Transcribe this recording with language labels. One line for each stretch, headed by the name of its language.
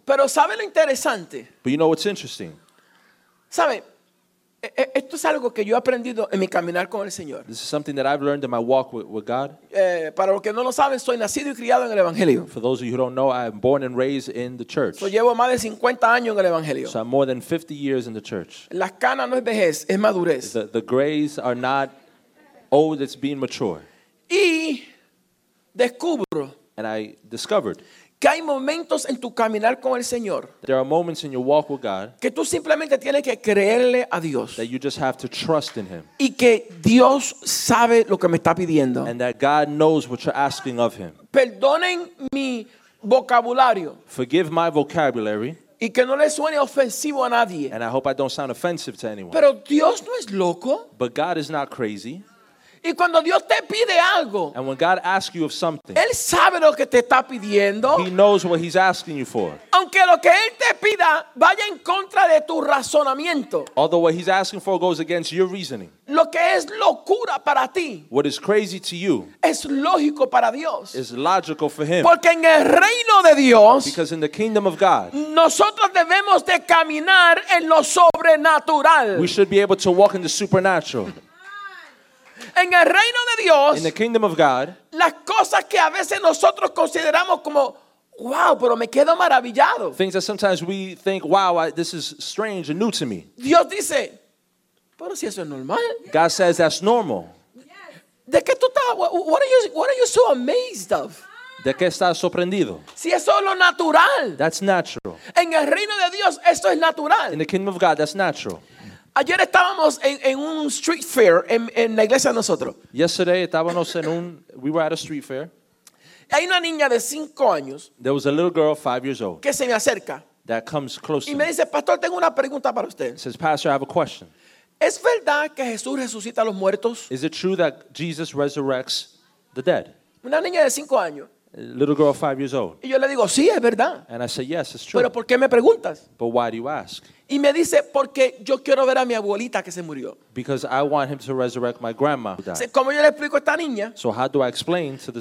Spanish: Pero ¿sabe lo interesante?
English: But you know what's interesting?
Spanish: ¿Sabe? Esto es algo que yo he aprendido en mi caminar con el Señor.
English: This is something that I've learned in my walk with God.
Spanish: Para los que no lo saben, soy nacido y criado en el Evangelio.
English: For those of you who don't know, I am born and raised in the church.
Spanish: So llevo más de 50 años en el Evangelio.
English: So I'm more than 50 years in the church.
Spanish: Las canas no es vejez, es madurez.
English: The grays are not old, it's being mature.
Spanish: Y descubro.
English: And I discovered.
Spanish: Que hay momentos en tu caminar con el Señor.
English: There are moments in your walk with God.
Spanish: Que tú simplemente tienes que creerle a Dios.
English: That you just have to trust in Him.
Spanish: Y que Dios sabe lo que me está pidiendo.
English: And that God knows what you're asking of Him.
Spanish: Perdonen mi vocabulario.
English: Forgive my vocabulary.
Spanish: Y que no le suene ofensivo a nadie.
English: And I hope I don't sound offensive to anyone.
Spanish: Pero Dios no es loco.
English: But God is not crazy.
Spanish: Y cuando Dios te pide algo,
English: and when God asks you of something,
Spanish: Él sabe lo que te está pidiendo.
English: He knows what He's asking you for.
Spanish: Aunque lo que Él te pida vaya en contra de tu razonamiento.
English: Although what He's asking for goes against your reasoning.
Spanish: Lo que es locura para ti,
English: what is crazy to you,
Spanish: es lógico para Dios.
English: Is logical for Him.
Spanish: Porque en el reino de Dios,
English: because in the kingdom of God,
Spanish: nosotros debemos de caminar en lo sobrenatural.
English: We should be able to walk in the supernatural.
Spanish: En el reino de Dios,
English: in the kingdom of God,
Spanish: las cosas que a veces nosotros consideramos como wow, pero me quedo maravillado.
English: Things that sometimes we think, wow, this is strange and new to me.
Spanish: Dios dice, pero si eso es normal.
English: God says that's normal.
Spanish: ¿De qué tú estás?
English: What are you so amazed of?
Spanish: ¿De qué estás sorprendido? Si eso es lo natural.
English: That's natural.
Spanish: En el reino de Dios, esto es natural.
English: In the kingdom of God, that's natural.
Spanish: Ayer estábamos en un street fair en la iglesia de nosotros.
English: Yesterday
Spanish: estábamos en un,
English: we were at a street fair.
Spanish: Hay una niña de 5 años.
English: There was a little girl 5 years old.
Spanish: Que se me acerca.
English: That comes close
Spanish: y me dice, pastor, tengo una pregunta para usted.
English: Says, pastor, I have a question.
Spanish: ¿Es verdad que Jesús resucita a los muertos?
English: Is it true that Jesus resurrects the dead?
Spanish: Una niña de 5 años.
English: A little girl 5 years old.
Spanish: Y yo le digo, sí, es verdad.
English: And I say, yes, it's true.
Spanish: ¿Pero por qué me preguntas?
English: But why do you ask?
Spanish: Y me dice, porque yo quiero ver a mi abuelita que se murió.
English: Because I want him to resurrect my grandma who died.
Spanish: ¿Cómo yo le explico a esta niña?
English: So how do I explain to this little